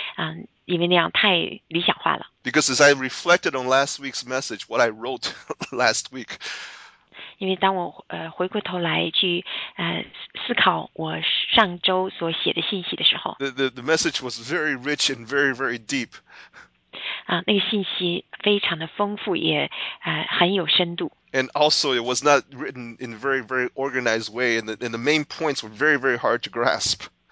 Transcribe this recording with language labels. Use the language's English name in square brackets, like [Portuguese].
[Chinese] 那这种情况我们不能常常想当然的去这样的认为，因为那样太理想化了。 [English] Because as I reflected on last week's message, what I wrote last week, [Chinese] 因为当我回过头来去思考我上周所写的信息的时候, [English] the message was very rich and very, very deep. [Chinese] 那个信息非常的丰富，也很有深度。 [English] And also, it was not written in a very, very organized way, and the main points were very, very hard to grasp.